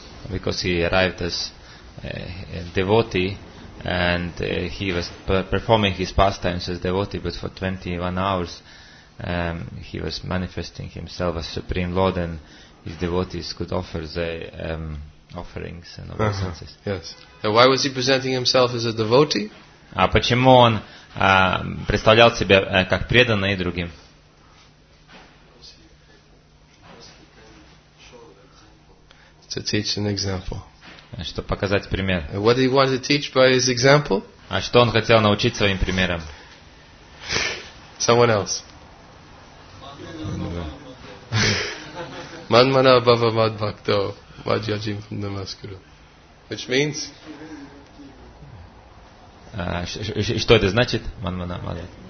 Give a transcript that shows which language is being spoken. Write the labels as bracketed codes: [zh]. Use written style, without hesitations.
[en] Because he arrived as a devotee and he was performing his pastimes as devotee, but for 21 hours he was manifesting himself as Supreme Lord and his devotees could offer the offerings and obeisances. Yes. And why was he presenting himself as a devotee? [ru] А почему он представлял себя как преданный другим? [en] To teach an example. [ru] Чтобы показать пример. [en] What he wanted to teach by his example? [ru] А что он хотел научить своим примером? [en] Someone else. [sa] Man mana bhava mad bhakto mad yajim namaskaru. [en] Which means? [ru] Что это значит? [sa] Man mana mad.